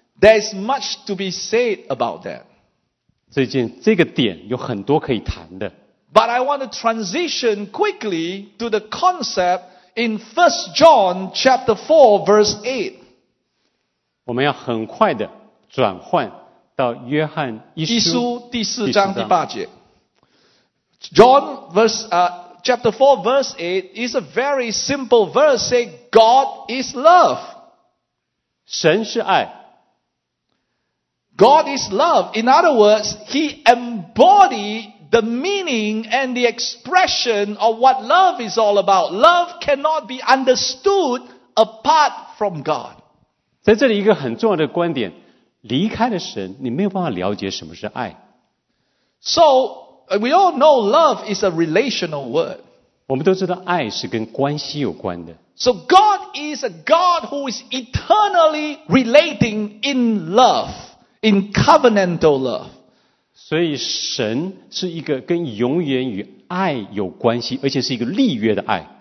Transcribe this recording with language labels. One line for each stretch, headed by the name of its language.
English: There is much to be said about that
Chinese: 这个点有很多可以谈的
English: But I want to transition quickly to the concept in 1 John chapter 4 verse 8
Chinese: 我们要很快的转换到约翰一书第四章第八节
English: John verse 8Chapter 4 verse 8 is a very simple verse say God is love.
Chinese: 神是爱。
English: God is love. In other words, he embodied the meaning and the expression of what love is all about. Love cannot be understood apart from God.
Chinese: 在这里一个很重要的观点，离开了神，你没有办法了解什么是爱。
English: So, we all know love is a relational word.
Chinese: 我们都知道爱是跟关系有关的。
English: So God is a God who is eternally relating in love, in covenantal love.
Chinese: 所以神是一个跟永远与爱有关系，而且是一个立约的爱。